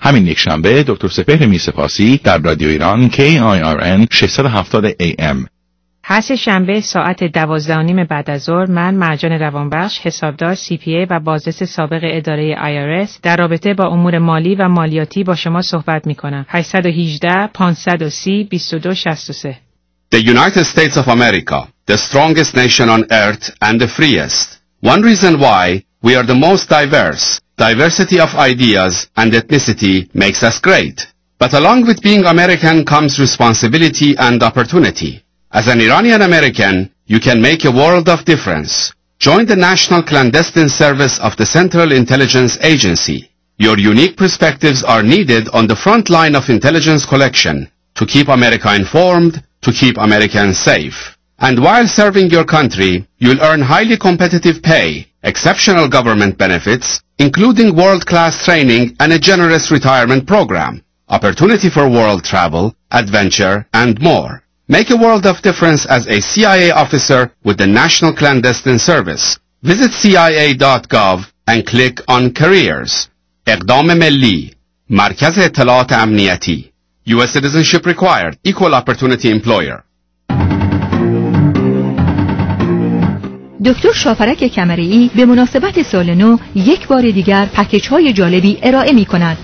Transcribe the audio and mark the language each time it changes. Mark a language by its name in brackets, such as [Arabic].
[Persian] همین یک شنبه دکتر سپهر میرسپاسی در رادیو ایران KIRN 670 AM. پس شنبه ساعت 12:30 بعد از ظهر من مرجان روانبخش، حسابدار CPA و بازرس سابق اداره IRS در رابطه با امور مالی و مالیاتی با شما صحبت می‌کنم. 818-530-2263. [English] The United States of America, the strongest nation on earth and the freest. One reason why we are the most diverse. Diversity of ideas and ethnicity makes us great. But along with being American comes responsibility and opportunity. As an Iranian American, you can make a world of difference. Join the National Clandestine Service of the Central Intelligence Agency. Your unique perspectives are needed on the front line of intelligence collection to keep America informed, to keep Americans safe. And while serving your country, you'll earn highly competitive pay, exceptional government benefits, including world-class training and a generous retirement program, opportunity for world travel, adventure, and more. Make a world of difference as a CIA officer with the National Clandestine Service. Visit CIA.gov and click on Careers. [Persian] اقدام ملی مرکز اطلاعات امنیتی. [English] U.S. citizenship required. Equal opportunity employer. [Persian] دکتر شافرک کمری‌ای به مناسبت سال نو یک بار دیگر پکیج‌های جالبی ارائه می‌کند.